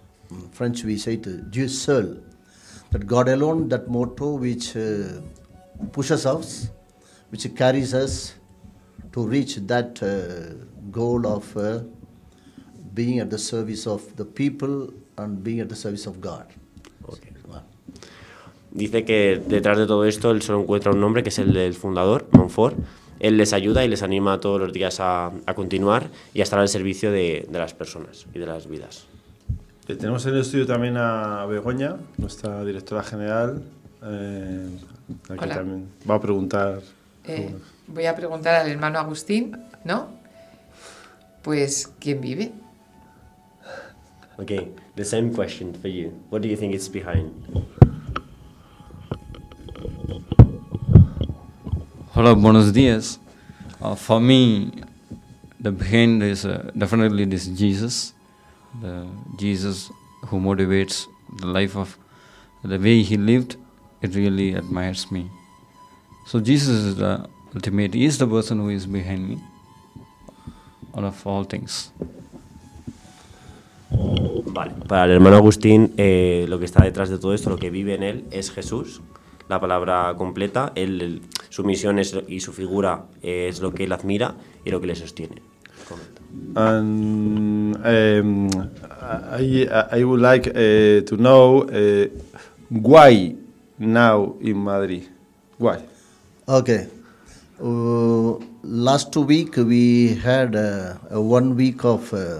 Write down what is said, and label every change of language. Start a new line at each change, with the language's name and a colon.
English: In French we say it,
French: Dieu seul.
English: That God alone, that motto which pushes us, which carries us to reach that goal of being at the service of the people and being at the service of God. Okay.
Spanish: Dice que detrás de todo esto él solo encuentra un nombre que es el del fundador, Montfort. Él les ayuda y les anima todos los días a continuar y a estar al servicio de las personas y de las vidas. Tenemos en el estudio también a Begoña, nuestra directora general. Aquí hola. También va a preguntar. Voy a preguntar al hermano Agustín, ¿no? Pues, ¿quién vive?
English: Okay, the same question for you. What do you think is behind?
Spanish: Hola, buenos días.
English: For me, the behind is definitely this Jesus. The Jesus who motivates the life of the way he lived, it really admires me. So Jesus is the ultimate. He is the person who is behind me. All of all things.
Spanish: Vale, para el hermano Agustín, lo que está detrás de todo esto, lo que vive en él, es Jesús, la palabra completa. Él, su misión es, y su figura es lo que él admira y lo que le sostiene.
English: I would like to know why now in Madrid. Why? Okay. Last 2 weeks we had 1 week of